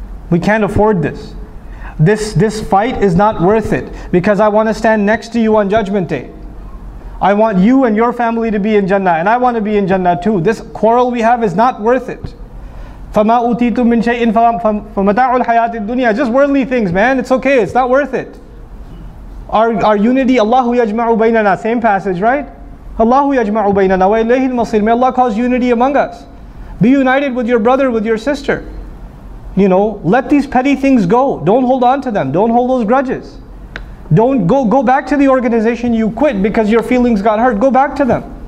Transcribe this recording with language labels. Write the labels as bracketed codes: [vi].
[en] We can't afford this. This fight is not worth it, because I want to stand next to you on Judgment Day. I want you and your family to be in Jannah, and I want to be in Jannah too. This quarrel we have is not worth it. [ar] فَمَا أُوتِيتُم مِّن شَيْءٍ فَمَتَاعُ الْحَيَاةِ الدُّنْيَا. [en] Just worldly things, man. It's okay. It's not worth it. Our unity, [ar] اللَّهُ يَجْمَعُ بَيْنَنَا. [en] Same passage, right? [ar] اللَّهُ يَجْمَعُ بَيْنَنَا وَإِلَيْهِ الْمَصِيرُ. [en] May Allah cause unity among us. Be united with your brother, with your sister. You know, let these petty things go. Don't hold on to them. Don't hold those grudges. Don't go back to the organization you quit because your feelings got hurt. Go back to them.